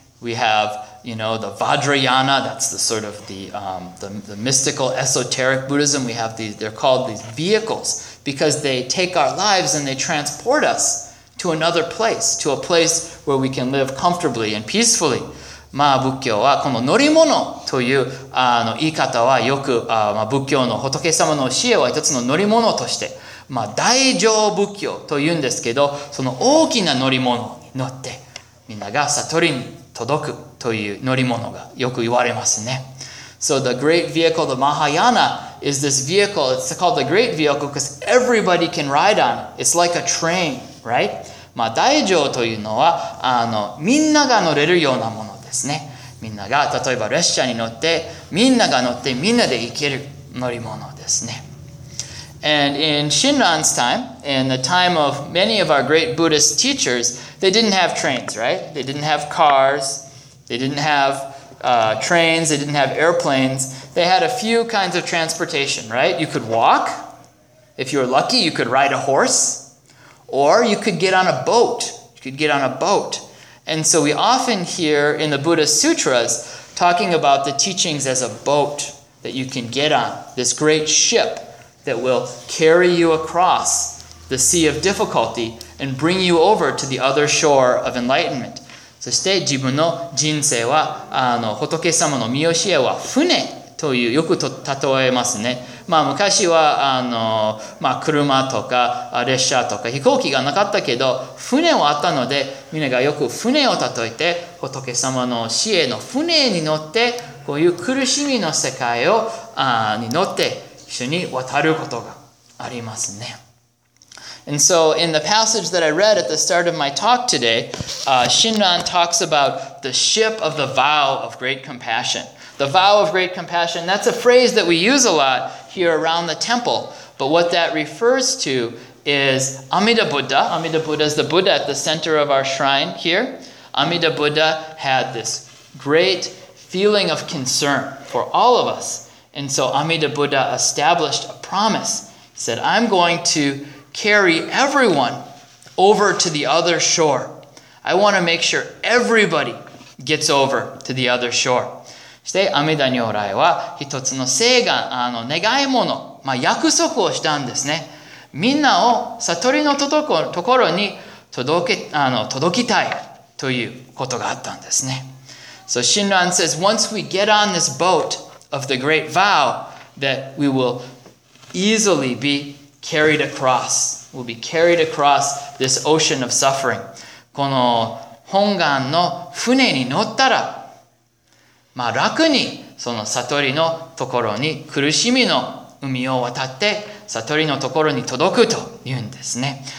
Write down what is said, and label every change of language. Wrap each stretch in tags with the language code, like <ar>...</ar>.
<en>We have, you know, the Vajrayana. That's the sort of the mystical, esoteric Buddhism. We have these, they're called these vehicles because they take our lives and they transport us to another place, to a place where we can live comfortably and peacefully.</en> <ja>まあ仏教はこの乗り物というあの言い方はよく、まあ、仏教の仏様の教えは一つの乗り物として、まあ、大乗仏教というんですけど、その大きな乗り物に乗ってみんなが悟りに届くという乗り物がよく言われますね。</ja> <en>So the great vehicle, the Mahayana, is this vehicle. It's called the great vehicle because everybody can ride on it. It's like a train, right?</en> <ja>まあ大乗というのはあのみんなが乗れるようなものですね。みんなが例えば列車に乗ってみんなが乗ってみんなで行ける乗り物ですね。</ja> <en>And in Shinran's time, in the time of many of our great Buddhist teachers, they didn't have trains, right? They didn't have cars, they didn't have trains, they didn't have airplanes. They had a few kinds of transportation, right? You could walk. If you were lucky, you could ride a horse. Or you could get on a boat. You could get on a boat. And so we often hear in the Buddha Sutras talking about the teachings as a boat that you can get on, this great ship that will carry you across the sea of difficulty and bring you over to the other shore of enlightenment.</en> <ja>そして自分の人生は、あの仏様の御教えは船というよく例えますね。まあ昔はあの、まあ、車とか列車とか飛行機がなかったけど船はあったので、みんながよく船を例えて仏様の教えの船に乗ってこういう苦しみの世界をに乗って一緒に渡ることがありますね。</ja> <en>And so in the passage that I read at the start of my talk today, Shinran talks about the ship of the vow of great compassion. The vow of great compassion, that's a phrase that we use a lot here around the temple. But what that refers to is Amida Buddha. Amida Buddha is the Buddha at the center of our shrine here. Amida Buddha had this great feeling of concern for all of us. And so Amida Buddha established a promise. He said, I'm going to carry everyone over to the other shore. I want to make sure everybody gets over to the other shore.</en> <ja>そして阿弥陀如来は一つの誓願、あの願い物、まあ、約束をしたんですね。みんなを悟りのところに届きたいということがあったんですね。</ja> <en>So Shinran says, once we get on this boat, of the great vow that we will easily be carried across. We'll be carried across this ocean of suffering.</en> <ja>この本願の船に乗ったら、まあ楽にその悟りのところに苦しみの海を渡って悟りのところに届くというんですね。</ja>